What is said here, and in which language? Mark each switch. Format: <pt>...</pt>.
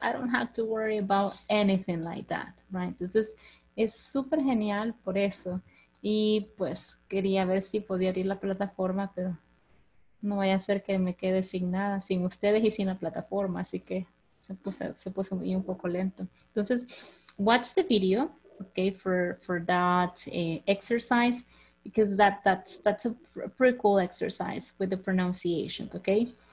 <en>I don't have to worry about anything like that, right?</en> <es>Entonces, es súper genial por eso. Y pues, quería ver si podía abrir la plataforma, pero no vaya a ser que me quede sin nada, sin ustedes y sin la plataforma. Así que se puso muy un poco lento. Entonces,</es> <en>watch the video, okay, for that exercise. Because that's a pretty cool exercise with the pronunciation, okay?</en>